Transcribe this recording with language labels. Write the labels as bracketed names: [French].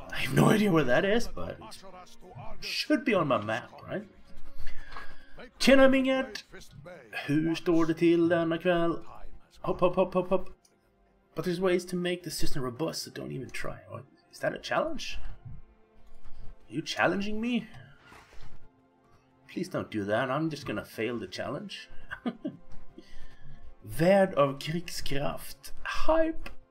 [English] I have no idea where that is, but it should be on my map, right? [Swedish] Tjenaminget! Hur står det till denna kväll? Hop. [English] But there's ways to make the system robust, so don't even try. What? Is that a challenge? Are you challenging me? Please don't do that, I'm just gonna fail the challenge. Värd av Krigskraft. Hype!